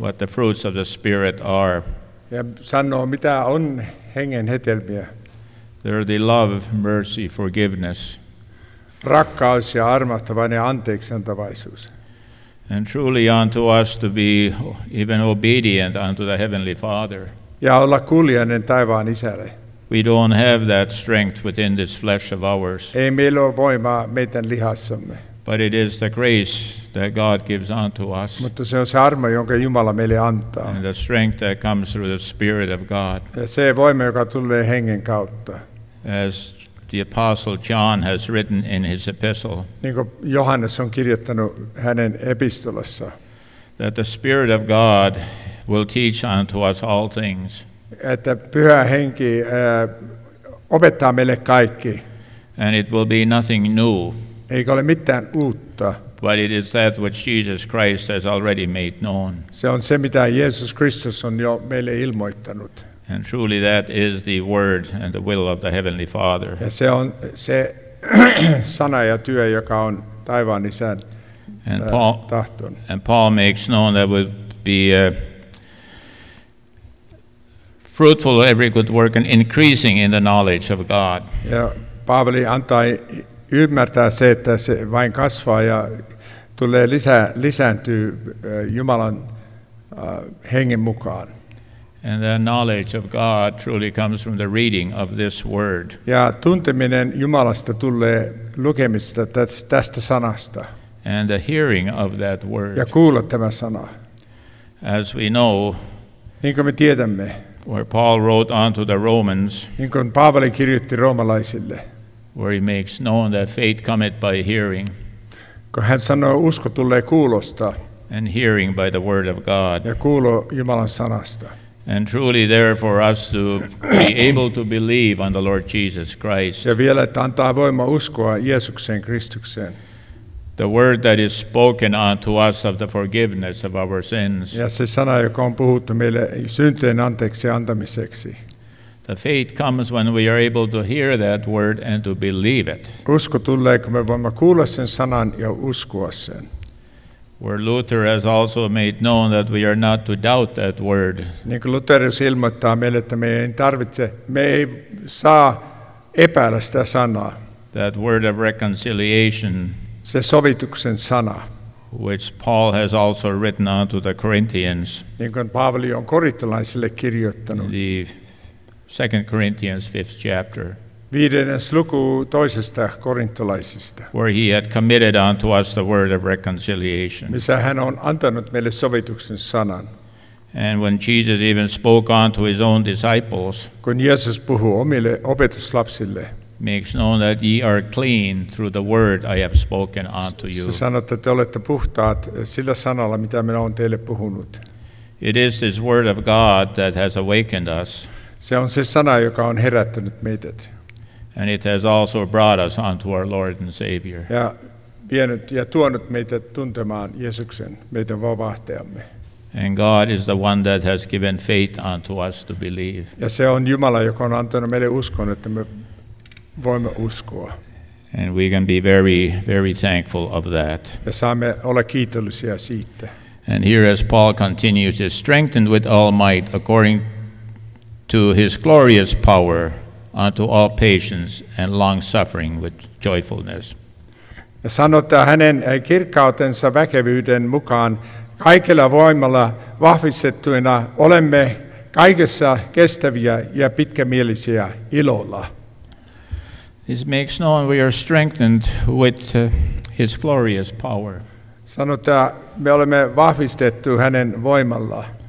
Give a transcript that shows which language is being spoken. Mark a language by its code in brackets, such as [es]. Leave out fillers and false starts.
[en] what the fruits of the Spirit are. [fi] Ja sanoo, mitä on Hengen hedelmiä. [en] There are the love, mercy, forgiveness, [fi] rakkaus ja armahtavainen ja anteeksiantavaisuus. [en] And truly unto us to be even obedient unto the Heavenly Father. [fi] Ja olla kuulijainen taivaan isälle. [en] We don't have that strength within this flesh of ours. [fi] Ei meillä ole voimaa meidän lihassamme. [en] But it is the grace that God gives unto us. [fi] Mutta se on se armo, jonka Jumala meille antaa. [en] And the strength that comes through the Spirit of God. [fi] Ja se voima, joka tulee Hengen kautta. [en] As the Apostle John has written in his epistle. [fi] Niin kuin Johannes on kirjoittanut hänen epistolassa. [en] That the Spirit of God will teach unto us all things. [fi] Että Pyhä Henki opettaa meille kaikki. [en] And it will be nothing new. [fi] Eikä ole mitään uutta. [en] But it is that which Jesus Christ has already made known. [fi] Se on se, mitä Jeesus Kristus on jo meille ilmoittanut. [en] And truly that is the word and the will of the Heavenly Father. [fi] Ja se on se sana ja työ, joka on taivaan Isän tahto. [en] And Paul makes known that would be fruitful of every good work and increasing in the knowledge of God. [fi] Ja Paavali antaa ymmärtää se, että se vain kasvaa ja tulee lisääntyy Jumalan hengen mukaan. [en] And the knowledge of God truly comes from the reading of this word. [fi] Ja tunteminen Jumalasta tulee lukemista tästä sanasta. [en] And the hearing of that word. [fi] Ja kuulla tämä sana. [en] As we know, [fi] niin kuin me tiedämme, [en] where Paul wrote unto the Romans, [fi] niin kuin Paavali kirjoitti roomalaisille, [en] where he makes known that faith cometh by hearing, [fi] kun hän sanoo, usko tulee kuulosta, [en] and hearing by the word of God, [fi] ja kuulo Jumalan sanasta. [en] And truly there for us to be able to believe on the Lord Jesus Christ. [fi] Ja vielä, että antaa voima uskoa Jeesukseen Kristukseen. [en] The word that is spoken unto us of the forgiveness of our sins. [fi] Ja se sana, joka on puhuttu meille syntien anteeksi antamiseksi. [en] The faith comes when we are able to hear that word and to believe it. [fi] Usko tulee, kun me voimme kuulla sen sanan ja uskoa sen. [en] Where Luther has also made known that we are not to doubt that word. [fi] Niin kuin Lutherius ilmoittaa meille, että me ei saa epäillä sitä sanaa. [en] That word of reconciliation. [fi] Se sovituksen sana, [en] which Paul has also written unto the Corinthians, [fi] niin kuin Paavali on korinttilaisille kirjoittanut, [en] the 2 Corinthians 5th chapter, [fi] viidennes luku toisesta korinttilaisista, [en] where he had committed unto us the word of reconciliation, [fi] missä hän on antanut meille sovituksen sanan. [en] And when Jesus even spoke unto his own disciples, [fi] kun Jeesus puhui omille opetuslapsille, [en] makes known that ye are clean through the word I have spoken unto you. [fi] Se sanoo, että te olette puhtaat sillä sanalla, mitä minä olen teille puhunut. [en] It is this word of God that has awakened us. [fi] Se on se sana, joka on herättänyt meidät. [en] And it has also brought us unto our Lord and Savior. [fi] Ja tuonut meidät tuntemaan Jeesuksen, meidän vapahtajamme. [en] And God is the one that has given faith unto us to believe. [fi] Ja se on Jumala, joka on antanut meille uskon, että me voimme uskoa. [en] And we can be very, very thankful of that. [fi] Ja saamme olla kiitollisia siitä. [en] And here as Paul continues, is strengthened with all might according to his glorious power unto all patience and long suffering with joyfulness. [fi] Ja sanotaan hänen kirkkautensa väkevyyden mukaan kaikella voimalla vahvistettuina olemme kaikessa kestäviä ja pitkämielisiä ilolla. [en] This makes known we are strengthened with his glorious power. [fi] Sanotaan, me olemme vahvistettu hänen voimalla.